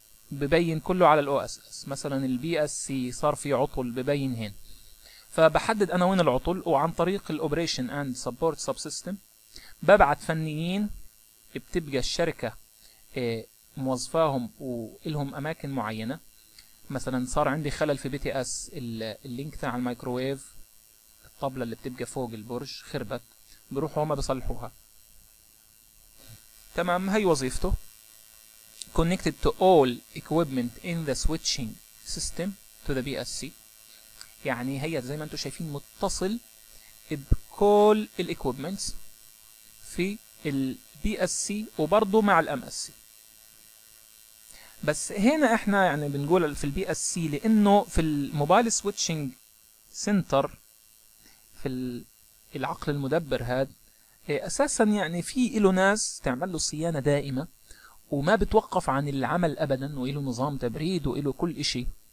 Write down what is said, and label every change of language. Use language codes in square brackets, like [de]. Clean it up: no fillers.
[ar] ببين كله على الاو اس اس، مثلا البي اس سي صار في عطل ببين هنا، فبحدد انا وين العطل، وعن طريق الاوبريشن اند سبورت سب سيستم ببعت فنيين، بتبقى الشركه موظفاهم ولهم اماكن معينه، مثلا صار عندي خلل في بي تي اس، اللينك تاع المايكروويف الطبله اللي بتبقى فوق البرج خربت، بروحوا هما بيصلحوها. تمام، هي وظيفته. [en] Connected to all equipment in the switching system to the BSC. [ar] يعني هي زي ما انتم شايفين متصل بكل الاكويبمنتس في البي اس سي وبرضه مع الام اس سي. بس هنا احنا يعني بنقول في البي اس سي لانه في الموبايل سويتشنج سنتر في العقل المدبر هذا اساسا يعني في له ناس تعمل له صيانه دائمه وما بتوقف عن العمل ابدا، وله نظام تبريد وله كل شيء.